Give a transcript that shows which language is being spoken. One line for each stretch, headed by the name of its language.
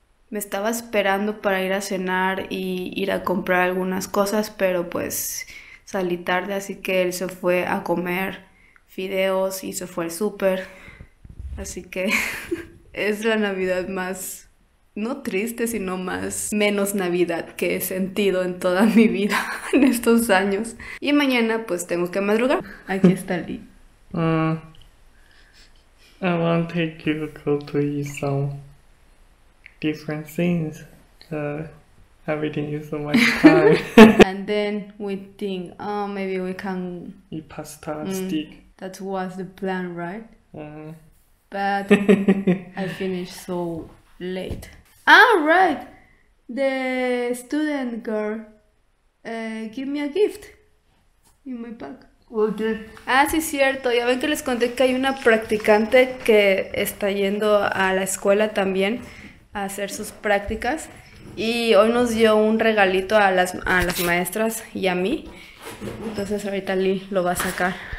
Spanish: Me estaba esperando para ir a cenar y ir a comprar algunas cosas, pero pues salí tarde, así que él se fue a comer fideos y se fue al súper. Así que es la Navidad más, no triste, sino más menos Navidad que he sentido en toda mi vida en estos años. Y mañana pues tengo que madrugar. Aquí está Lee.
English: I want to take you to eat some different things. Everything is so much time. And then we think, oh, maybe we can eat pasta and steak. That was the plan, right? Uh-huh. But I finished so late. Ah, right! The student girl give me a gift in my bag. Okay.
Spanish: Ah, sí, cierto. Ya ven que les conté que hay una practicante que está yendo a la escuela también a hacer sus prácticas. Y hoy nos dio un regalito a las maestras y a mí. Entonces ahorita Lee lo va a sacar.